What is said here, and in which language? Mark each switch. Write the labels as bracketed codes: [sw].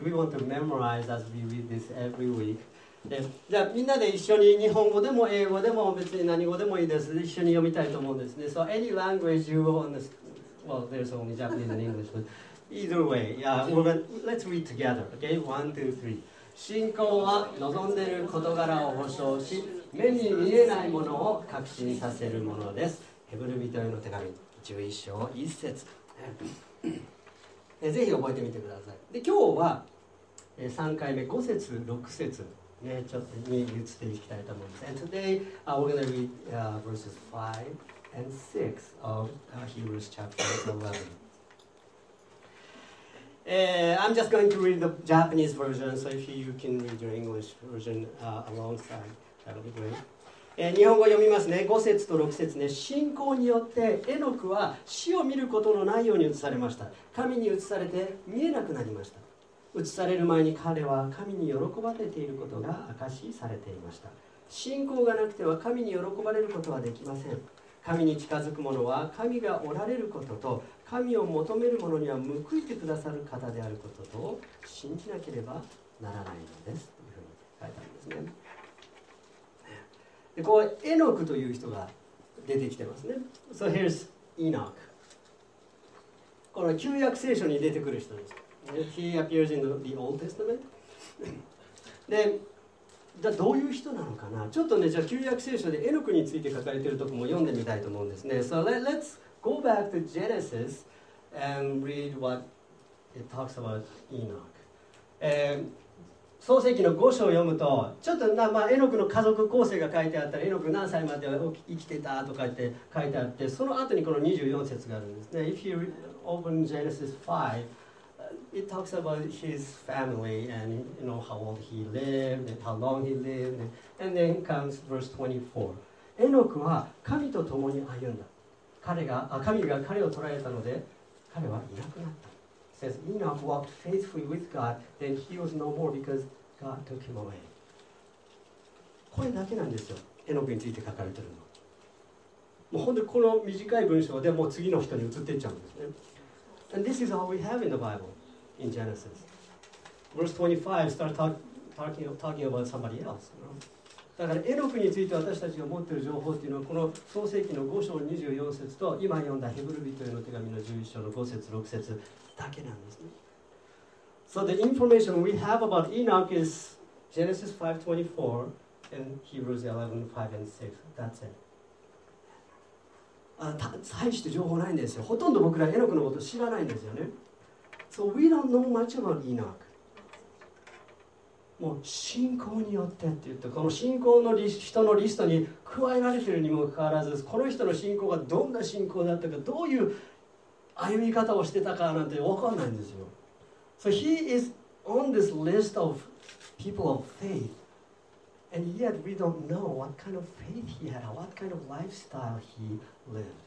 [en] We want to memorize as we read this every week. [ja] じゃあみんなで一緒に日本語でも英語でも別に何語でもいいです。一緒に読みたいと思うんですね。 [en] So any language you want, well, there's only Japanese and English, but either way, yeah, let's read together, okay? One, two, three. [ja] 信仰は望んでる事柄を保証し、目に見えないものを確信させるものです。ヘブル人への手紙、11章1節。ぜひ覚えてみてください。で、今日は3回目、5節、6節、ね、ちょっとに移っていきたいと思います。 [en] And today, we're going to read verses 5 and 6 of Hebrews chapter 11. I'm just going to read the Japanese version, so if you can read your English version alongside, that would be great. [ja] 日本語読みますね。5節と6節ね。信仰によってエノクは死を見ることのないように移されました。神に移されて見えなくなりました。移される前に彼は神に喜ばれていることが証しされていました。信仰がなくては神に喜ばれることはできません。神に近づく者は神がおられることと、神を求める者には報いてくださる方であることと信じなければならないのですというふうに書いてあるんですね。でこうエノクという人が出てきてますね。 [en] So here's Enoch。 [ja] この旧約聖書に出てくる人です。 [en] He appears in the Old Testament。 [ja] でどういう人なのかな、ちょっとね、じゃあ旧約聖書でエノクについて書かれているところも読んでみたいと思うんですね。 [en] So let's go back to Genesis and read what it talks about Enoch。 [ja] 創世記の5章を読むと、ちょっとな、まあ、エノクの家族構成が書いてあったり、エノク何歳まで生きてたとかって書いてあって、その後にこの24節があるんですね。 [en] If you open Genesis 5,It talks about his family and you know how old he lived and how long he lived. And then comes verse 24. [ja] Enoch は神と共に歩んだ。神が彼を捕らえたので彼はいなくなった。 [en] Says Enoch walked faithfully with God, then he was no more because God took him away. [ja] これだけなんですよ。Enoch について書かれてるの。もう本当この短い文章でもう次の人に移っていっちゃうんですね。 [en] And this is all we have in the Bible. In Genesis, verse 25 starts talking about somebody else. You know? [ja] だからエノクについて私たちが持っている情報というのはこの創世記の5章24節と今読んだヘブル人への手紙の11章の5節6節だけなんですね。 [en] So the information we have about Enoch is Genesis 5:24 and Hebrews 11:5 and 6. That's it. [ja] 大して情報ないんですよ。ほとんど僕らエノクのこと知らないんですよね。 [en] So we don't know much about Enoch. [ja] もう信仰によってって言って、この信仰の人のリストに加えられているにもかかわらず、この人の信仰がどんな信仰だったか、どういう歩み方をしてたかなんて分かんないんですよ。 [en] So he is on this list of people of faith, and yet we don't know what kind of faith he had, what kind of lifestyle he lived.